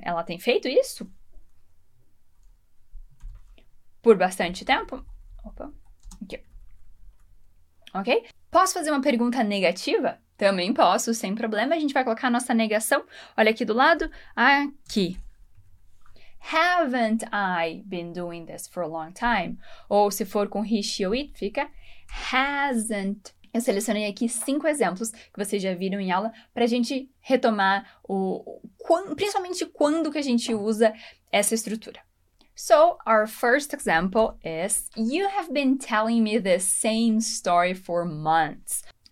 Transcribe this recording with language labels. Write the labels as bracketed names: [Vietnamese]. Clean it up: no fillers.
[Portuguese] Ela tem feito isso por bastante tempo? Opa, aqui. Ok? Posso fazer uma pergunta negativa? Também posso, sem problema. A gente vai colocar a nossa negação, olha aqui do lado, aqui. [English] Haven't I been doing this for a long time? [Portuguese] Ou se for com he, she ou it, fica hasn't. Eu selecionei aqui 5 exemplos que vocês já viram em aula para a gente retomar principalmente quando que a gente usa essa estrutura. [English] So our first example is, you have been telling me this same story for months.